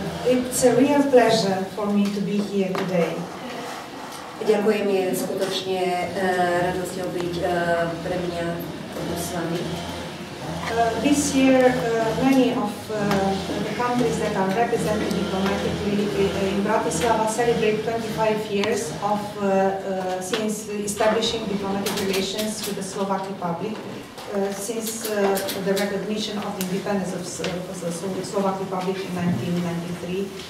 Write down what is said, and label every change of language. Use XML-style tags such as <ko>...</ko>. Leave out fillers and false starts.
<en>It's a real pleasure for me to be here today.</en> <sk>Ďakujem, je skutočne radosťou byť pre mňa s vami.</sk> <en>This year many of the countries that are represented diplomatically in Bratislava celebrate 25 years of since establishing diplomatic relations with the Slovak Republic. Since the recognition of the independence of the Slovak Republic in 1993,</en>